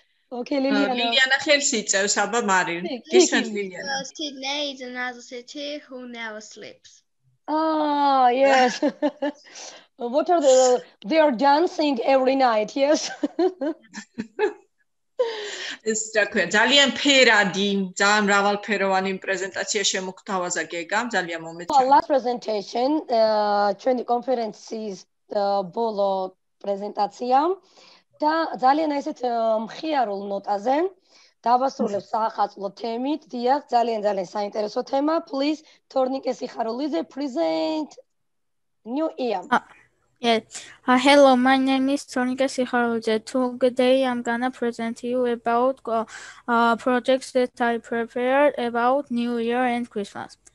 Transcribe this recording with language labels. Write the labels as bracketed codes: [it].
[en] Okay, Liliana. Liliana, here's it. So, Saba Marin. This one, Liliana. Sydney is another city who never sleeps. Ah, yes. What are they are dancing every night, yes? [ka] ეს რა ქვია, ძალიან ფერადი, ძალიან მრავალფეროვანი პრეზენტაცია შემოგთავაზა გეგამ, ძალიან მომეწონა. [en] Last presentation, [ka] ჩვენი კონფერენციის ბოლო პრეზენტაცია და ძალიან ესეთ მხიარულ ნოტაზე დავასრულებ საახალწლო თემით, დია, ძალიან ძალიან საინტერესო თემა. [en] Please, Tornike Siharulize, present new year. Yeah. Hello, my name is Tornike Siharulize. Today I'm gonna present you about projects that I prepared about New Year and Christmas.